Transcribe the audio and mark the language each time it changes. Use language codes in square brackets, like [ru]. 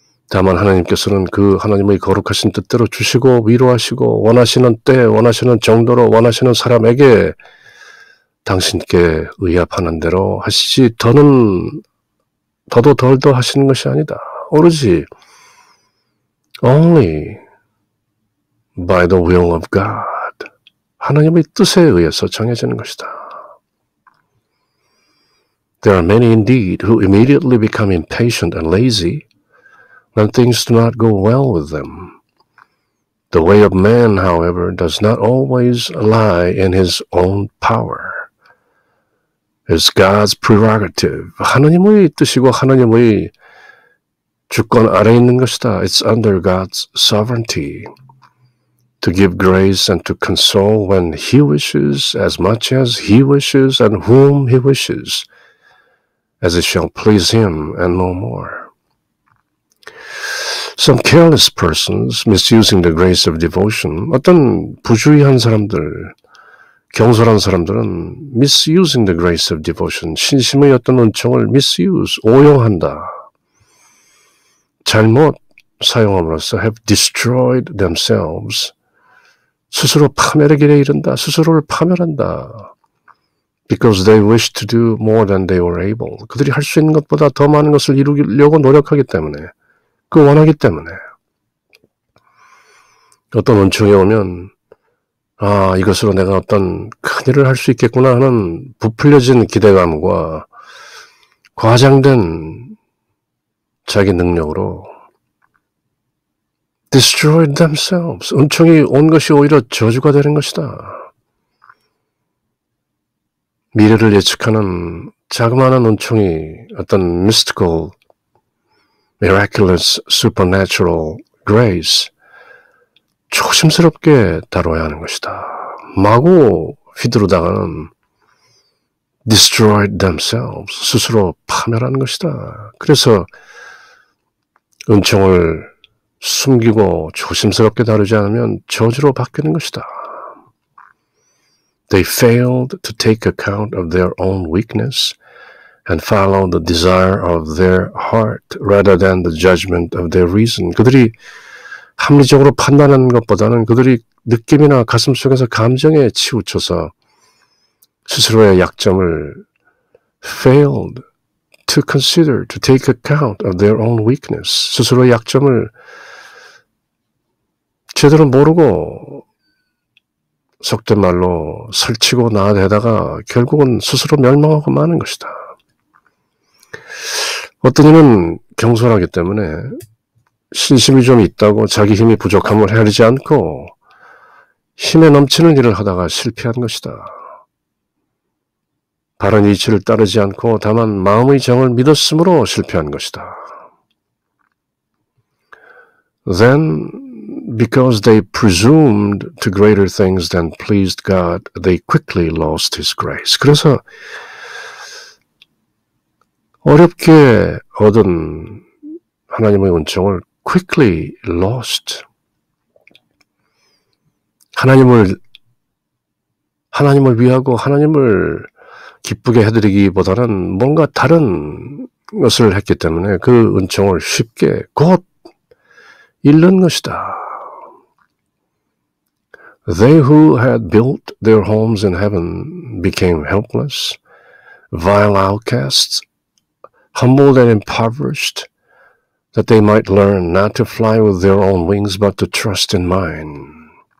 [ko] 다만 하나님께서는 그 하나님의 거룩하신 뜻대로 주시고 위로하시고 원하시는 때, 원하시는 정도로 원하시는 사람에게 당신께 의합하는 대로 하시지 더는 더도 덜도 하시는 것이 아니다. 오로지 [en] only by the will of God. [ko] 하나님의 뜻에 의해서 정해지는 것이다. [en] There are many indeed who immediately become impatient and lazy when things do not go well with them. The way of man, however, does not always lie in his own power. It's God's prerogative. [ko] 하나님의 뜻이고 하나님의 주권 아래 있는 것이다. [en] It's under God's sovereignty. To give grace and to console when he wishes, as much as he wishes and whom he wishes, as it shall please him and no more. Some careless persons misusing the grace of devotion, [ko] 어떤 부주의한 사람들, 경솔한 사람들은 [en] misusing the grace of devotion, [ko] 신심의 어떤 은총을 [en] misuse, [ko] 오용한다. 잘못 사용함으로써 [en] have destroyed themselves, [ko] 스스로 파멸하기에 이른다, 스스로를 파멸한다. [en] Because they wish to do more than they were able. [ko] 그들이 할 수 있는 것보다 더 많은 것을 이루려고 노력하기 때문에, 그 원하기 때문에. 어떤 은총에 오면, 아, 이것으로 내가 어떤 큰 일을 할 수 있겠구나 하는 부풀려진 기대감과 과장된 자기 능력으로 [en] destroyed themselves. [ko] 은총이 온 것이 오히려 저주가 되는 것이다. 미래를 예측하는 자그마한 은총이 어떤 [en] mystical, miraculous, supernatural grace [ko] 조심스럽게 다뤄야 하는 것이다. 마구 휘두르다가는 [en] destroyed themselves, [ko] 스스로 파멸하는 것이다. 그래서 은총을 숨기고 조심스럽게 다루지 않으면 저주로 바뀌는 것이다. [en] They failed to take account of their own weakness and follow the desire of their heart rather than the judgment of their reason. [ko] 그들이 합리적으로 판단하는 것보다는 그들이 느낌이나 가슴 속에서 감정에 치우쳐서 스스로의 약점을 [en] failed to consider, to take account of their own weakness. [ko] 스스로의 약점을 제대로 모르고 속된 말로 설치고 나아대다가 결국은 스스로 멸망하고 마는 것이다. 어떤 이는 경솔하기 때문에 신심이 좀 있다고 자기 힘이 부족함을 헤아리지 않고 힘에 넘치는 일을 하다가 실패한 것이다. 바른 이치를 따르지 않고 다만 마음의 정을 믿었으므로 실패한 것이다. [en] Then, because they presumed to greater things than pleased God, they quickly lost His grace. [ko] 그래서 어렵게 얻은 하나님의 은총을 [en] quickly lost. [ko] 하나님을 위하고 하나님을 기쁘게 해드리기보다는 뭔가 다른 것을 했기 때문에 그 은총을 쉽게 곧 잃는 것이다. [en] They who had built their homes in heaven became helpless, vile outcasts, humbled and impoverished, that they might learn not to fly with their own wings, but to trust in mine.